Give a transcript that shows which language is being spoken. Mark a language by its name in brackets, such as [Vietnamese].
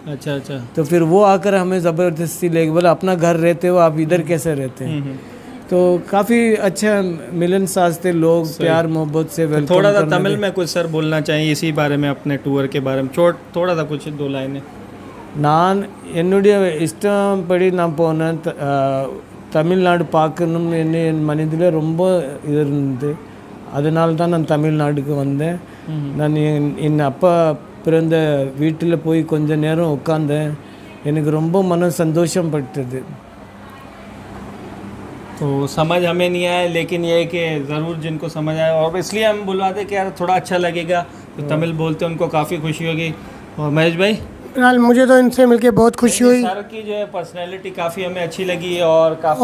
[Hindi] अच्छा अच्छा। तो फिर वो आकर हमें ज़बरदस्ती ले गए, बोला अपना घर रहते हो आप, इधर कैसे रहते हैं। तो काफ़ी अच्छा मिलन साज थे लोग, प्यार मोहब्बत से वेलकम। थोड़ा सा तमिल में कुछ सर बोलना चाहिए इसी बारे में, अपने टूर के बारे में थोड़ा सा कुछ दो लाइनें। [Tamil] नान என்னுடைய இஷ்டம் படி நான் போனேன் தமிழ்நாடு பார்க்கணும் என்ன மனதில் ரொம்ப இது இருந்தது, அதனால தான் நான் தமிழ்நாடுக்கு வந்தேன். நான் என் அப்பா பிறந்த வீட்டில் போய் கொஞ்ச நேரம் உட்கார்ந்தேன், எனக்கு ரொம்ப மன சந்தோஷப்பட்டது. [Hindi] तो समझ हमें नहीं आया, लेकिन ये कि ज़रूर जिनको समझ आया, और इसलिए हम बुलवाते कि यार थोड़ा अच्छा लगेगा तो तमिल बोलते हैं, उनको काफ़ी खुशी होगी। और महेश भाई मुझे तो इनसे मिलके बहुत खुशी हुई, सर की जो है पर्सनैलिटी काफ़ी हमें अच्छी लगी, और काफी